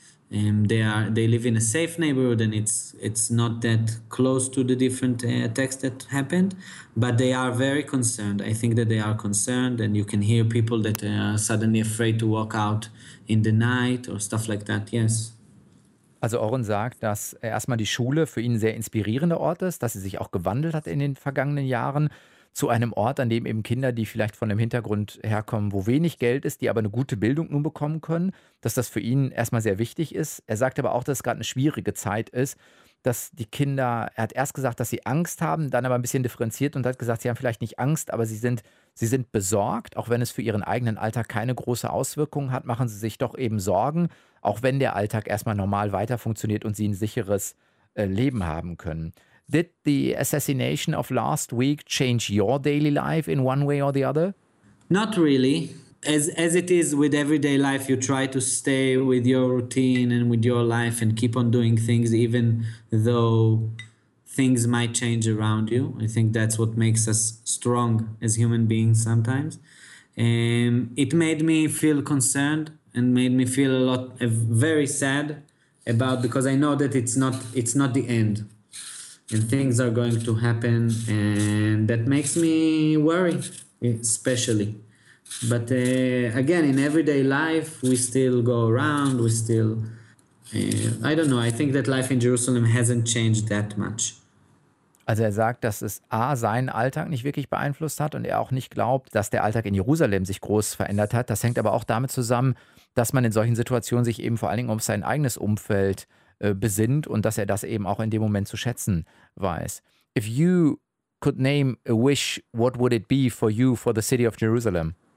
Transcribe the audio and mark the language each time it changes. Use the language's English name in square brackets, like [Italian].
[English] They live in a safe neighborhood, and it's not that close to the different attacks that happened, but they are very concerned. I think that they are concerned, and you can hear people that are suddenly afraid to walk out in the night or stuff like that. Yes. [German] Also Oren sagt, dass erstmal die Schule für ihn ein sehr inspirierender Ort ist, dass sie sich auch gewandelt hat in den vergangenen Jahren zu einem Ort, an dem eben Kinder, die vielleicht von einem Hintergrund herkommen, wo wenig Geld ist, die aber eine gute Bildung nun bekommen können, dass das für ihn erstmal sehr wichtig ist. Er sagt aber auch, dass es gerade eine schwierige Zeit ist, dass die Kinder, er hat erst gesagt, dass sie Angst haben, dann aber ein bisschen differenziert und hat gesagt, sie haben vielleicht nicht Angst, aber sie sind besorgt, auch wenn es für ihren eigenen Alltag keine große Auswirkung hat, machen sie sich doch eben Sorgen, auch wenn der Alltag erstmal normal weiter funktioniert und sie ein sicheres Leben haben können. [English] Did the assassination of last week change your daily life in one way or the other? Not really. As it is with everyday life, you try to stay with your routine and with your life and keep on doing things even though things might change around you. I think that's what makes us strong as human beings sometimes. It made me feel concerned and made me feel a lot, very sad about, because I know that it's not the end. And things are going to happen, and that makes me worry, especially. But again, in everyday life, we still go around, we still... I don't know, I think that life in Jerusalem hasn't changed that much. [German] Also er sagt, dass es A, seinen Alltag nicht wirklich beeinflusst hat, und er auch nicht glaubt, dass der Alltag in Jerusalem sich groß verändert hat. Das hängt aber auch damit zusammen, dass man in solchen Situationen sich eben vor allen Dingen um sein eigenes Umfeld besinnt und dass er das eben auch in dem Moment zu schätzen weiß. [English] If you could name a wish, what would it be for you, for the city of Jerusalem?